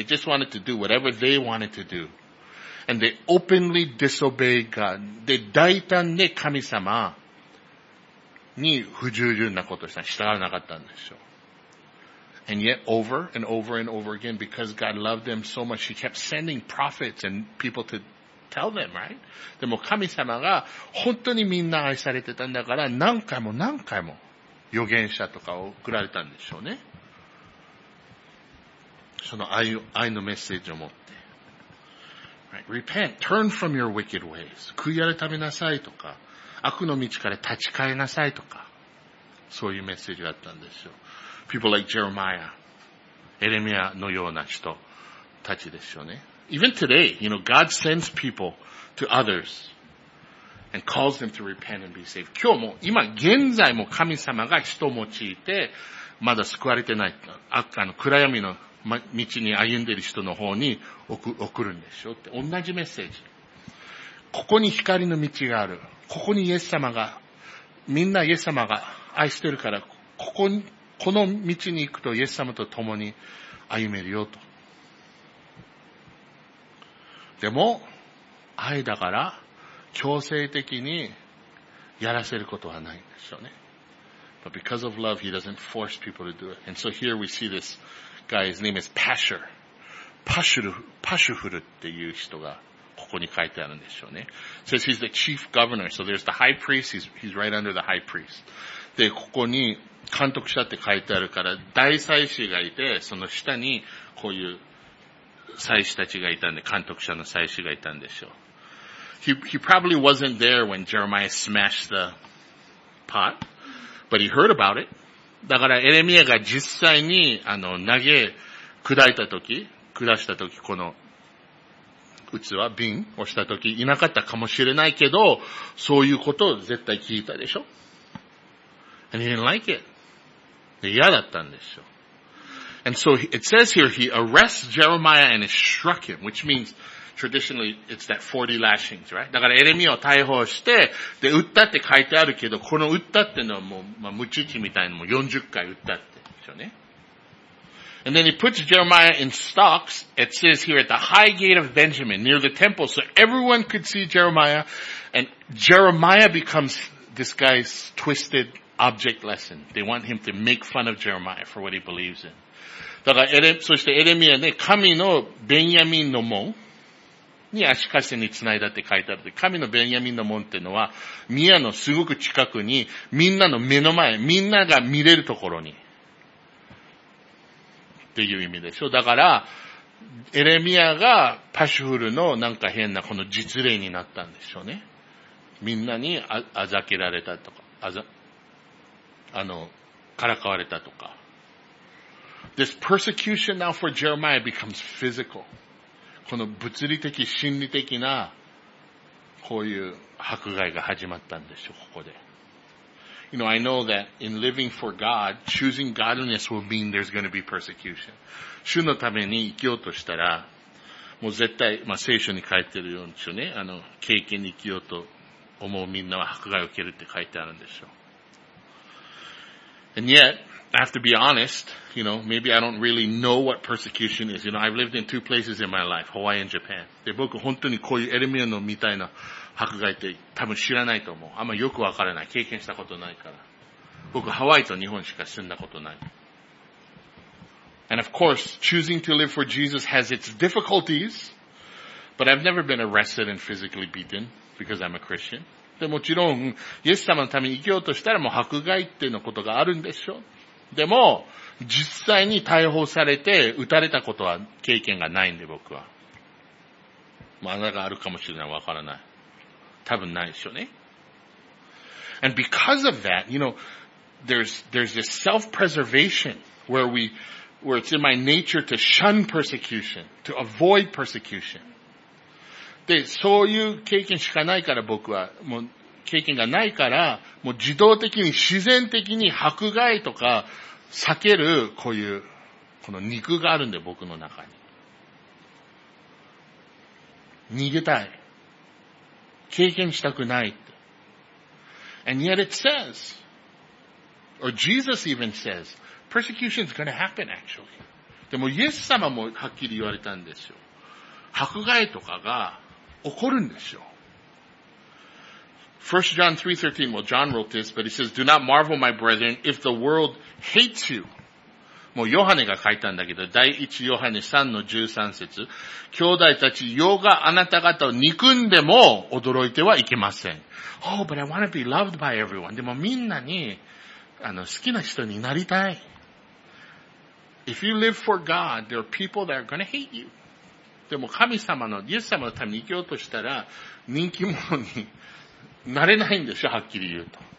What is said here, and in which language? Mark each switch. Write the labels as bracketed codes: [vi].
[en] They just wanted to do whatever they wanted to do. And they openly disobeyed God. [ja] で、大胆で神様に不従順なことをした。従わなかったんでしょう。 [en] And yet, over and over and over again, because God loved them so much, He kept sending prophets and people to tell them, right? [ja] でも神様が本当にみんな愛されてたんだから何回も何回も預言者とかを送られたんでしょうね。その愛のメッセージを持って。 [en] Right? Repent, turn from your wicked ways. [ja] 悔い改めなさいとか、悪の道から立ち返りなさいとか、そういうメッセージだったんですよ。 [en] People like Jeremiah, [ja] エレミアのような人たちですよね。 [en] Even today, you know, God sends people to others and calls them to repent and be saved. [ja] 今日も、今、現在も神様が人を用いて、まだ救われてない、暗闇の道に歩んでいる人の方に送るんでしょうって。同じメッセージ。ここに光の道がある。ここにイエス様が、みんなイエス様が愛してるから、この道に行くとイエス様と共に歩めるよと。でも愛だから強制的にやらせることはないんですよね。 [en] But because of love, he doesn't force people to do it. And so here we see this guy. His name is Pashur. Pashurful [ja] っていう人がここに書いてあるんですよね。 [en] Says he's the chief governor. So there's the high priest. He's right under the high priest. [ja] でここに監督者って書いてあるから大祭司がいて、その下にこういう祭司たちがいたんで、監督者の祭司がいたんでしょう。 [en] He probably wasn't there when Jeremiah smashed the pot, but he heard about it. [ja] だからエレミアが実際に投げ砕いた時、砕した時この器瓶をした時いなかったかもしれないけど、そういうことを絶対聞いたでしょ。 [en] And he didn't like it. [ja] 嫌だったんでしょう。 [en] And so it says here he arrests Jeremiah and it struck him, which means traditionally it's that 40 lashings, right? [ja] だからエレミアを逮捕して、で、撃ったって書いてあるけど、この撃ったってのはもう、まあ、ムチ打ちみたいなのも40回撃ったって。でしょうね。 [en] And then he puts Jeremiah in stocks, it says here at the high gate of Benjamin near the temple, so everyone could see Jeremiah, and Jeremiah becomes this guy's twisted object lesson. They want him to make fun of Jeremiah for what he believes in. [ja] だからそしてエレミアね、神のベンヤミンの門に足かせにつないだって書いてあるで。神のベンヤミンの門っていうのは、宮のすごく近くに、みんなの目の前、みんなが見れるところに。っていう意味でしょ。だから、エレミアがパシフルのなんか変なこの実例になったんでしょうね。みんなにあざけられたとか、からかわれたとか。 [en] This persecution now for Jeremiah becomes physical. [ja] この物理的、心理的な、こういう迫害が始まったんでしょう、ここで。 [en] You know, I know that in living for God, choosing godliness will mean there's going to be persecution. [ja] 主のために生きようとしたら、もう絶対、まあ、聖書に書いてるようにしようね、経験に生きようと思うみんなは迫害を受けるって書いてあるんでしょう。 [en] And yet,I have to be honest, you know, maybe I don't really know what persecution is. You know, I've lived in two places in my life, Hawaii and Japan. [ja] で、僕本当にこういうエレミアのみたいな迫害って多分知らないと思う。あんまよくわからない。経験したことないから。僕ハワイと日本しか住んだことない。 [en] And of course, choosing to live for Jesus has its difficulties, but I've never been arrested and physically beaten because I'm a Christian. [ja] で、もちろん、イエス様のために生きようとしたらもう迫害っていうのことがあるんでしょ。でも実際に逮捕されて撃たれたことは経験がないんで僕は。まだがあるかもしれない、わからない。多分ないでしょうね。 [en] And because of that, you know, there's this self-preservation where we where it's in my nature to shun persecution, to avoid persecution. [ja] で、そういう経験しかないから僕は、もう経験がないから、もう自動的に自然的に迫害とか避けるこういう、この肉があるんで僕の中に。逃げたい。経験したくないって。 [en] And yet it says, or Jesus even says, persecution is going to happen actually. [ja] でもイエス様もはっきり言われたんですよ。迫害とかが起こるんですよ。 [en] 1 John 3:13, well John wrote this, but he says, do not marvel my brethren if the world hates you. [ja] もうヨハネが書いたんだけど、第1ヨハネ3の13節、兄弟たち、世があなた方を憎んでも驚いてはいけません。 [en] Oh, but I want to be loved by everyone. [ja] でもみんなに、好きな人になりたい。 [en] If you live for God, there are people that are going to hate you. [ja] でも神様の、イエス様のために生きようとしたら、人気者に、なれないんでしょ、はっきり言うと。